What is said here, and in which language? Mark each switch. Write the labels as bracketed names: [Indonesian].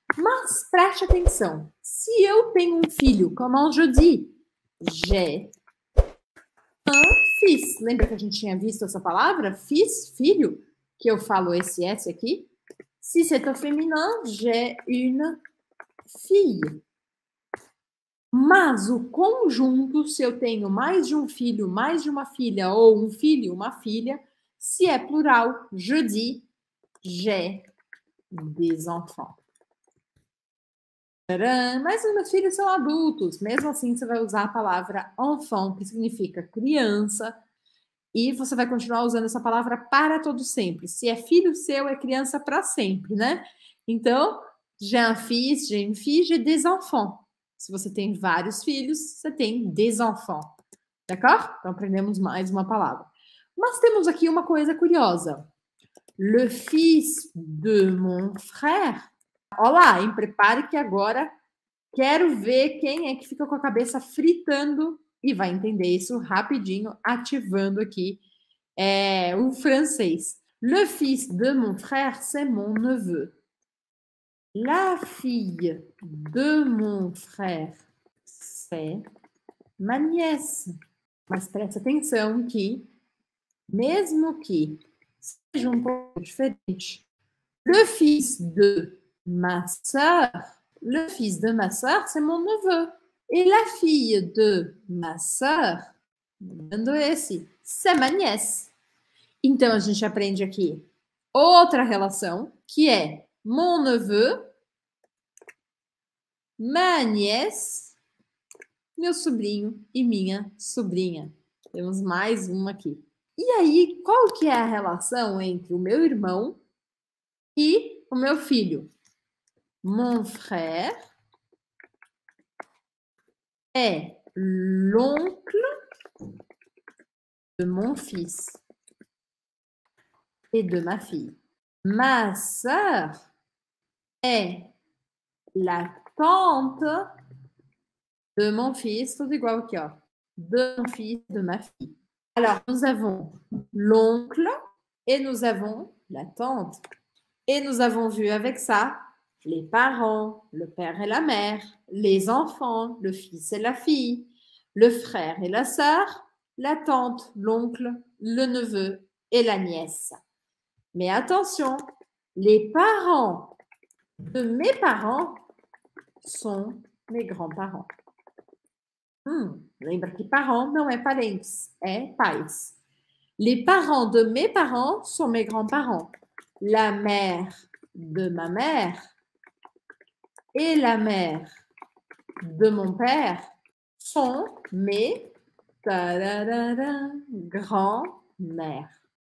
[Portuguese] Mas preste atenção, se eu tenho um filho, como eu disse, [French] j'ai un fils. [Portuguese] Lembra que a gente tinha visto essa palavra? Fils, filho, que eu falo esse S aqui. [French] Si c'est au féminin, j'ai une fille. [Portuguese] Mas o conjunto, se eu tenho mais de um filho, mais de uma filha, ou um filho, uma filha, se é plural, [French] je dis, j'ai des enfants. [Portuguese] Mas os meus filhos são adultos. Mesmo assim, você vai usar a palavra enfant, que significa criança, e você vai continuar usando essa palavra para todo sempre. Se é filho seu, é criança para sempre, né? Então, [French] j'ai un fils, j'ai une fille, j'ai des enfants. [Portuguese] Se você tem vários filhos, você tem [French] des enfants. [Portuguese] D'accord? Então, aprendemos mais uma palavra. Mas temos aqui uma coisa curiosa. [French] Le fils de mon frère. [Portuguese] Olá, hein? Prepare que agora quero ver quem é que fica com a cabeça fritando e vai entender isso rapidinho, ativando aqui o francês. [French] Le fils de mon frère, c'est mon neveu. La fille de mon frère, c'est ma nièce. [Portuguese] Mas presta atenção que, mesmo que seja um pouco diferente, [French] le fils de ma sœur, le fils de ma sœur, c'est mon neveu. Et la fille de ma sœur, [Portuguese] lembrando esse, [French] c'est ma nièce. [Portuguese] Então a gente aprende aqui outra relação, que é [French] mon neveu, ma nièce, [Portuguese] meu sobrinho e minha sobrinha. Temos mais uma aqui. E aí, qual que é a relação entre o meu irmão e o meu filho? [French] Mon frère est l'oncle de mon fils et de ma fille. Ma sœur est la tante de mon fils, tout égal [Portuguese] aqui, ó. [French] De mon fils, de ma fille. Alors, nous avons l'oncle et nous avons la tante. Et nous avons vu avec ça les parents, le père et la mère, les enfants, le fils et la fille, le frère et la sœur, la tante, l'oncle, le neveu et la nièce. Mais attention, les parents de mes parents sont mes grands-parents. [Portuguese] Lembra que parents não é parentes, é pais. [French] Les parents de mes parents sont mes grands-parents. La mère de ma mère et la mère de mon père sont mes grands-mères.